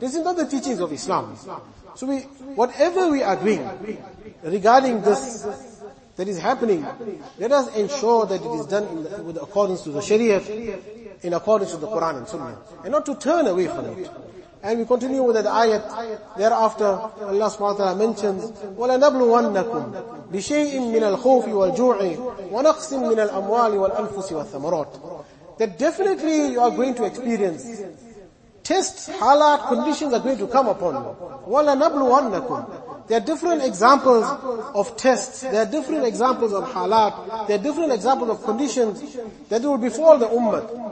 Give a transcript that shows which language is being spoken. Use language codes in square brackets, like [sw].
[en] This is not the teachings of Islam. So we, whatever we are doing regarding this that is happening, let us ensure that it is done with accordance to the Sharia, in accordance to the Quran and Sunnah, and not to turn away from it. And we continue with that ayat. Thereafter, Allah subhanahu wa ta'ala mentions, [ar] وَلَنَبْلُوَنَّكُمْ بِشَيْءٍ مِّنَ الْخَوْفِ وَالْجُوعِ وَنَقْصٍ مِّنَ الْأَمْوَالِ وَالْأَنفُسِ وَالثَّمَرَاتِ. [en] That definitely you are going to experience tests, halat, conditions are going to come upon you. [ar] وَلَنَبْلُوَنَّكُمْ. [en] There are different examples of tests, there are different examples of halat, there are different examples of conditions that will befall the ummah.